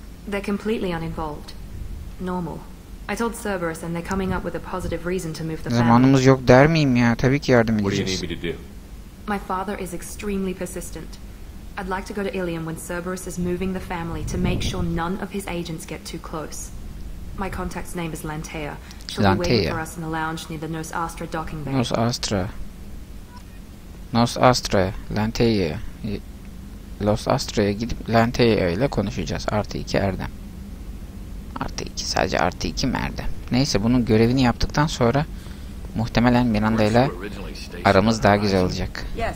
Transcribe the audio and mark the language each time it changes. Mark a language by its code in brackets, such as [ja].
[en] They're completely uninvolved. Normal. I told Cerberus and they're coming up with a positive reason to move the family. [tr] Zamanımız yok der miyim ya? Tabii ki yardım edeceğiz. [en] What do you need me to do? My father is extremely persistent. I'd like to go to Ilium when Cerberus is moving the family to make sure none of his agents get too close. My contact's name is Lantea. She'll Lantea. Be waiting for us in the lounge near the Nos Astra docking bay. Nos Astra. Lantea. [tr] Los Astro'ya gidip Lantea ile konuşacağız. Artı 2 Erdem. Artı 2. Sadece artı 2 mi Erdem? Neyse, bunun görevini yaptıktan sonra muhtemelen Miranda ile aramız daha güzel olacak.